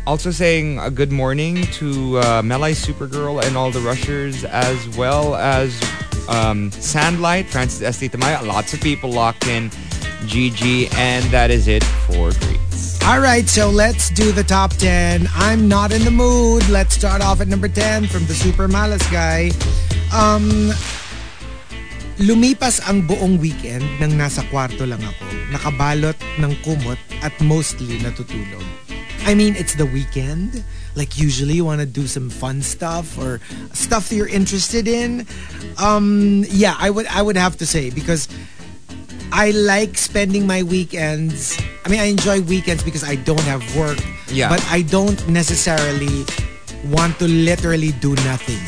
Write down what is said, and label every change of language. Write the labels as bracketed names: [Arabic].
[English] Also saying a good morning to Melai Supergirl and all the Rushers, as well as Sandlight, Francis S. Tamaya. Lots of people locked in. GG. And that is it for greets. All right, so let's do the top 10. I'm not in the mood. Let's start off at number 10 from the Super Malas guy. [Filipino] Lumipas ang buong weekend nang nasa kwarto lang ako, nakabalot ng kumot at mostly natutulog. [English] I mean, it's the weekend. Like, usually you want to do some fun stuff or stuff that you're interested in. Yeah, I would have to say, because I like spending my weekends. I mean, I enjoy weekends because I don't have work. Yeah. But I don't necessarily want to literally do nothing.